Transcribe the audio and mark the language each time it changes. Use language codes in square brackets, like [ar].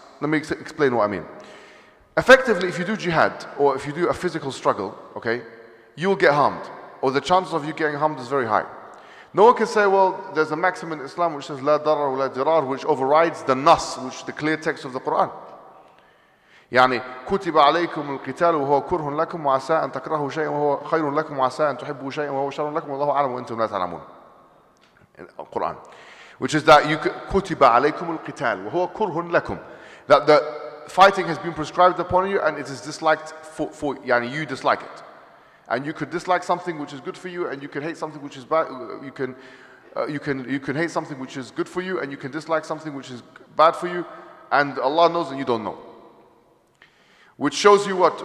[en] Let me explain what I mean. Effectively, if you do jihad, or if you do a physical struggle, okay, you will get harmed, or the chances of you getting harmed is very high. No one can say, well, there's a maxim in Islam which says, [ar] la darar wa la dirar, [en] which overrides the nas, which is the clear text of the Quran. [ar] يعني كتب عليكم القتال وهو كره لكم وعسى أن تكرهوا شيئا وهو خير لكم وعسى أن تحبوا شيئا وهو شر لكم والله أعلم وأنتم لا تعلمون. [en] Quran. Which is that you [ar] kutiba alaykum al-qital wa huwa kurhun lakum, [en] that the fighting has been prescribed upon you and it is disliked for yani you dislike it, and you could dislike something which is good for you and you can hate something which is bad. You can hate something which is good for you and you can dislike something which is bad for you, and Allah knows and you don't know. Which shows you what?